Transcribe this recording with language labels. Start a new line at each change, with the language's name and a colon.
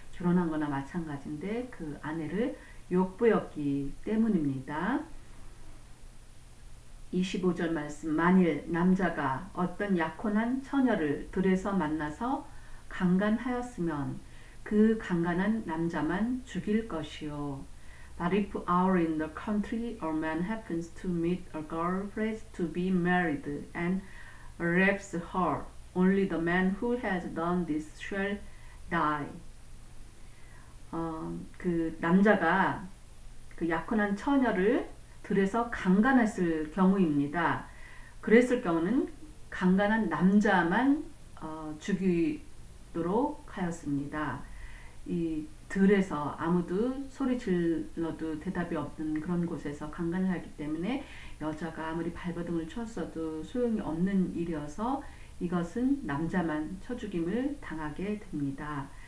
Korean: 결혼한 거나 마찬가지인데 그 아내를 욕보였기 때문입니다. 25절 말씀, 만일 남자가 어떤 약혼한 처녀를 들에서 만나서 강간하였으면 그 강간한 남자만 죽일 것이요.
English: But if out in the country a man happens to meet a girl pressed to be married and rapes her, only the man who has done this shall die.
Korean: 그 남자가 그 약혼한 처녀를 들에서 강간했을 경우입니다. 그랬을 경우는 강간한 남자만 죽이도록 하였습니다. 이 들에서 아무도 소리 질러도 대답이 없는 그런 곳에서 강간을 하기 때문에 여자가 아무리 발버둥을 쳤어도 소용이 없는 일이어서 이것은 남자만 처죽임을 당하게 됩니다.